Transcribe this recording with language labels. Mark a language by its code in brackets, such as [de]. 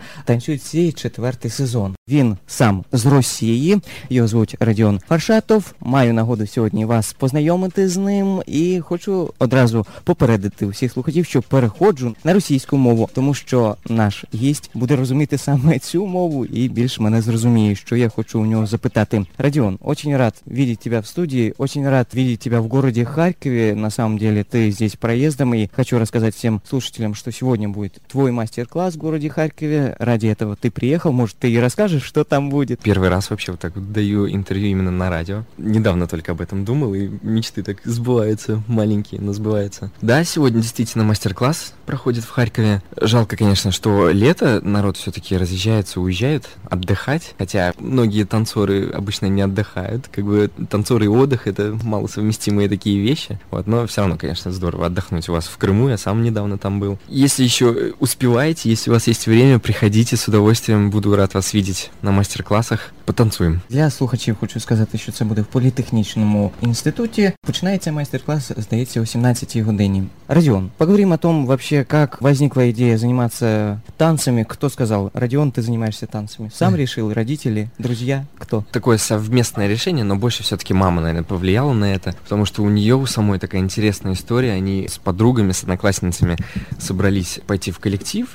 [uk] Танцюють всі» четвертий сезон. Він сам з Росії, його звуть Родіон Фаршатов. Маю нагоду сьогодні вас познайомити з ним і хочу одразу попередити всіх слухачів, що переходжу на російську мову, тому що наш гість буде розуміти саме цю мову і більш мене зрозуміє, що я хочу у нього запитати. [ru] Родіон, очень рад видеть тебя в студии, очень рад видеть тебя в городе Харькове. На самом деле, ты здесь проездом, и хочу рассказать всем слушателям, что сегодня будет твой мастер-класс в городе Харькове. Ради этого ты приехал, может, ты и расскажешь, что там будет? Первый раз вообще вот так даю интервью именно на радио. Недавно только об этом думал, и мечты так сбываются, маленькие, но сбываются. Да, сегодня действительно мастер-класс проходит в Харькове. Жалко, конечно, что лето, народ все-таки разъезжается, уезжает отдыхать, хотя многие танцоры обычно не отдыхают. Как бы танцоры и отдых — это малосовместимые такие вещи. Вот, но все равно, конечно, здорово отдохнуть у вас в Крыму. Я сам недавно там был. Если еще успеваете, если у вас есть время, приходите с удовольствием. Буду рад вас видеть на мастер-классах. Потанцуем. [uk] Для слухачів хочу сказати, що це буде в політехнічному інституті. Починається майстер-клас, здається, о 17-й годині. [ru] Родіон, поговоримо о том, вообще, как возникла ідея заниматься танцами. Кто сказал: Родіон, ты занимаешься танцами? Сам решил, родители, друзья, кто? Такое совместное решение, но больше все-таки мама, наверное, повлияла на это, потому что у нее у самой такая интересная история. Они с подругами, с одноклассницами собрались пойти в коллектив.